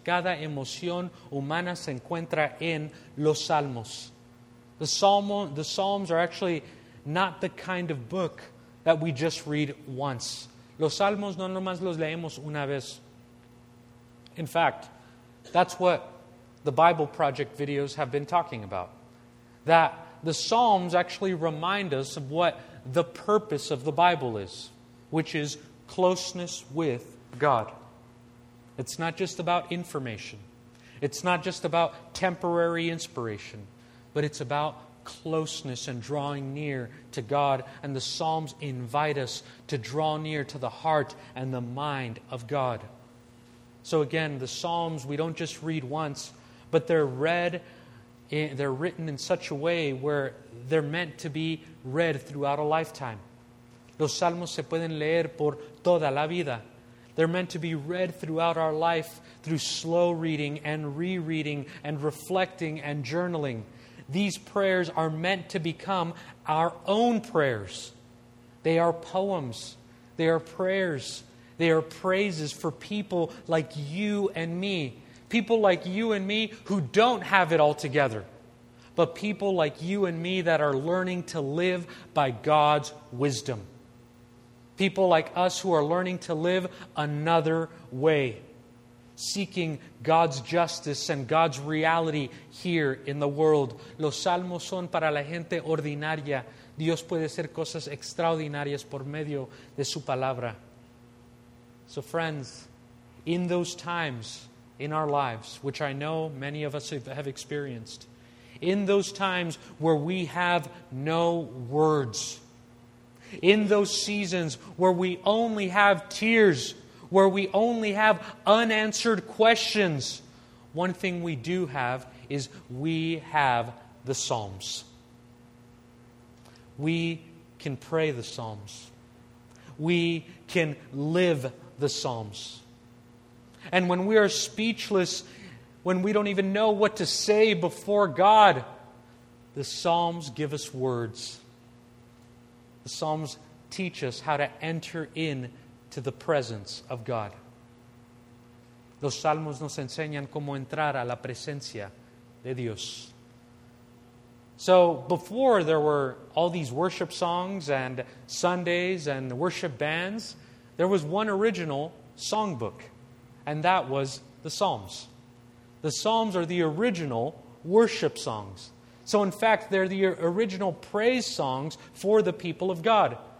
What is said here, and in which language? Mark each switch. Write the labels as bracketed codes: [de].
[es] Cada emoción humana se encuentra en los Salmos. [en] The Psalms are actually not the kind of book that we just read once. [es] Los Salmos no nomás los leemos una vez. [en] In fact, that's what the Bible Project videos have been talking about. That the Psalms actually remind us of what the purpose of the Bible is, which is closeness with God. It's not just about information. It's not just about temporary inspiration, but it's about closeness and drawing near to God. And the Psalms invite us to draw near to the heart and the mind of God. So again, the Psalms, we don't just read once, but they're written in such a way where they're meant to be read throughout a lifetime. [es] Los Salmos se pueden leer por toda la vida. [en] They're meant to be read throughout our life through slow reading and rereading and reflecting and journaling. These prayers are meant to become our own prayers. They are poems. They are prayers. They are praises for people like you and me. People like you and me who don't have it all together. But people like you and me that are learning to live by God's wisdom. People like us who are learning to live another way, seeking God's justice and God's reality here in the world. [es] Los salmos son para la gente ordinaria. Dios puede hacer cosas extraordinarias por medio de su palabra. [en] So friends, in those times in our lives, which I know many of us have experienced, in those times where we have no words, in those seasons where we only have tears, where we only have unanswered questions, one thing we do have is we have the Psalms. We can pray the Psalms. We can live the Psalms. And when we are speechless, when we don't even know what to say before God, the Psalms give us words. The Psalms teach us how to enter in to the presence of God. [es] Los Salmos nos enseñan cómo entrar a la presencia de Dios. [en] So before there were all these worship songs and Sundays and worship bands, there was one original songbook, and that was the Psalms. The Psalms are the original worship songs. So in fact, they're the original praise songs for the people of God.